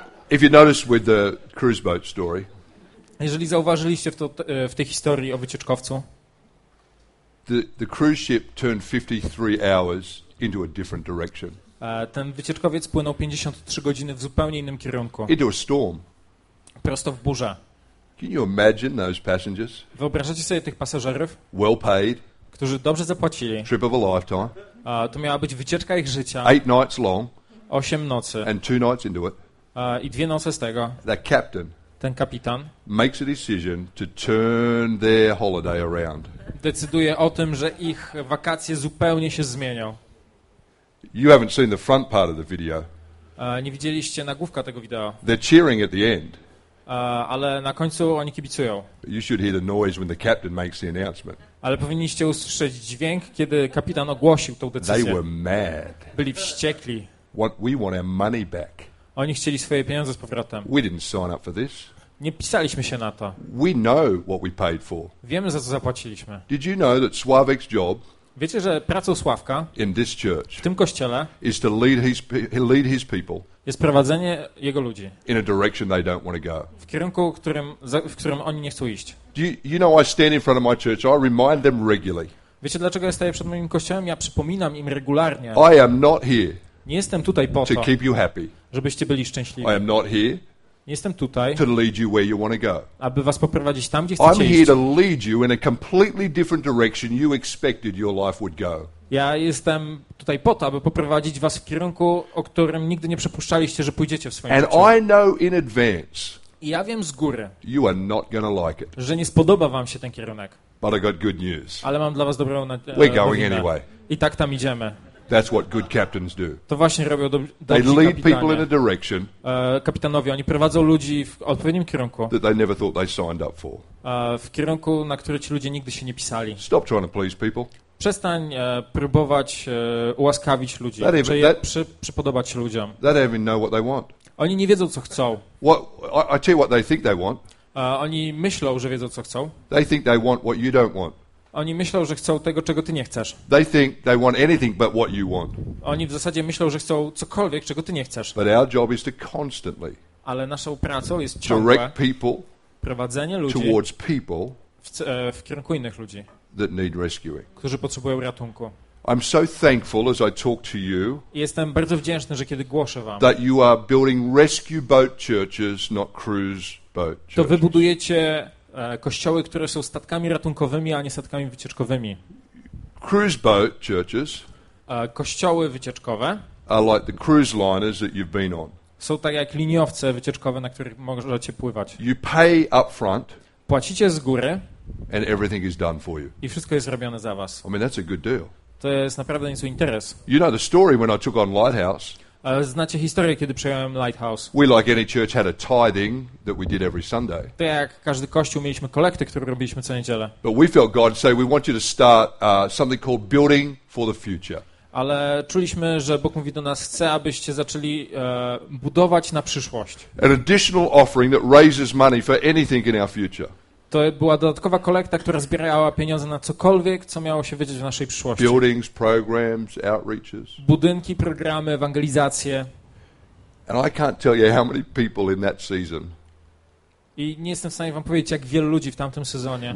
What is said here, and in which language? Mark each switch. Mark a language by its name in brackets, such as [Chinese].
[English] If you notice with the cruise boat story. [Polish] Jeżeli zauważyliście w tej historii o wycieczkowcu. [English] The cruise ship turned 53 hours into a different direction. [Polish] Ten wycieczkowiec płynął 53 godziny w zupełnie innym kierunku. [English] Into a storm. [Polish] Prosto w burzę. [English] Can you imagine those passengers? [Polish] Wyobrażacie sobie tych pasażerów? [English] Well paid. [Polish] Którzy dobrze zapłacili. [English] Trip of a lifetime. [Polish] To miała być wycieczka ich życia. [English] 8 nights long. [Polish] 8 nocy. [English] And 2 nights into it. [Polish] I dwie noce z tego. [English] That captain. [Polish] Ten kapitan. [English] Makes a decision to turn their holiday around. [Polish] Decyduje o tym, że ich wakacje zupełnie się zmienią. [English] You haven't seen the front part of the video. [Polish] Nie widzieliście nagłówka tego wideo. [English] They're cheering at the end. [Polish] Ale na końcu oni kibicują. [English] You should hear the noise when the captain makes the announcement. [Polish] Ale powinniście usłyszeć dźwięk, kiedy kapitan ogłosił tą decyzję. [English] They were mad. [Polish] Byli wściekli. [English] We want our money back. [Polish] Oni chcieli swoje pieniądze z powrotem. [English] We didn't sign up for this. [Polish] Nie pisaliśmy się na to. [English] We know what we paid for. [Polish] Wiemy, za co zapłaciliśmy. [English] Did you know that Sławek's job? [Polish] Wiecie, że pracą Sławka [English] in this church [Polish] w tym kościele [English] is to lead his people. [Polish] Jest prowadzenie jego ludzi [English] in a direction they don't want to go. [Polish] W kierunku, w którym oni nie chcą iść. [English] You know, I stand in front of my church. I remind them regularly. [Polish] Wiecie, dlaczego ja staję przed moim kościołem? Ja przypominam im regularnie. [English] I am not here. [Polish] Nie jestem tutaj po to, [English] to keep you happy. [Polish] Żebyście byli szczęśliwi. [English] I am not here. [Polish] Nie jestem tutaj. [English] To lead you where you want to go. [Polish] Aby was poprowadzić tam, gdzie chcecie iść. [English] I'm here to lead you in a completely different direction you expected your life would go. [Polish] Ja jestem tutaj po to, aby poprowadzić was w kierunku, o którym nigdy nie przypuszczaliście, że pójdziecie w swoim [English] and [Polish] życiu. [English] I know in advance. [Polish] I ja wiem z góry. [English] You are not gonna like it. [Polish] Że nie spodoba wam się ten kierunek. [English] But I got good news. [Polish] Ale mam dla was dobrą nowinę. [English] We're going anyway. [Polish] I tak tam idziemy. [English] That's what good captains do. [Polish] To właśnie robią dobrzy kapitanie. [English] They lead people in a direction. [Polish] Kapitanowie, oni prowadzą ludzi w odpowiednim kierunku. [English] That they never thought they signed up for. [Polish] W kierunku, na który ci ludzie nigdy się nie pisali. [English] Stop trying to please people. [Polish] Przestań próbować ułaskawić ludzi, czy przypodobać się ludziom. [English] They don't even know what they want. [Polish] Oni nie wiedzą, co chcą. [English] I tell you what they think they want. [Polish] Oni myślą, że wiedzą, co chcą. [English] They think they want what you don't want. [Polish] Oni myślą, że chcą tego, czego ty nie chcesz. [English] They think they want anything but what you want. [Polish] Oni w zasadzie myślą, że chcą cokolwiek, czego ty nie chcesz. [English] But our job is to constantly. [Polish] Ale naszą pracą jest ciągłe. [English] Direct people. [Polish] Prowadzenie ludzi. [English] Towards people. [Polish] W kierunku innych ludzi. [English] That need rescuing. [Polish] Którzy potrzebują ratunku. [English] I'm so thankful as I talk to you. [Polish] Jestem bardzo wdzięczny, że kiedy głoszę wam. [English] That you are building rescue boat churches, not cruise boat churches. [Polish] To wy budujecie kościoły, które są statkami ratunkowymi, a nie statkami wycieczkowymi. [English] Cruise boat churches. [Polish] Kościoły wycieczkowe. [English] Are like the cruise liners that you've been on. [Polish] Są tak jak liniowce wycieczkowe, na których możecie pływać. [English] You pay up front. [Polish] Płacicie z góry. [English] And everything is done for you. [Polish] I wszystko jest zrobione za was. [English] I mean, that's a good deal. [Polish] To jest naprawdę niezły interes. [English] You know the story when I took on Lighthouse. [Polish] Znacie historię, kiedy przejąłem Lighthouse. [English] We, like any church, had a tithing that we did every Sunday. [Polish] Tak jak każdy kościół, mieliśmy kolekty, które robiliśmy co niedzielę. [English] But we felt God say we want you to start something called building for the future. [Polish] Ale czuliśmy, że Bóg mówi do nas, chce, abyście zaczęli budować na przyszłość. [English] An additional offering that raises money for anything in our future. [Polish] To była dodatkowa kolekta, która zbierała pieniądze na cokolwiek, co miało się wiedzieć w naszej przyszłości. [English] Buildings, programs, outreaches. [Polish] Budynki, programy, ewangelizacje. [English] And I can't tell you how many people in that season. [Polish] I nie jestem w stanie wam powiedzieć, jak wielu ludzi w tamtym sezonie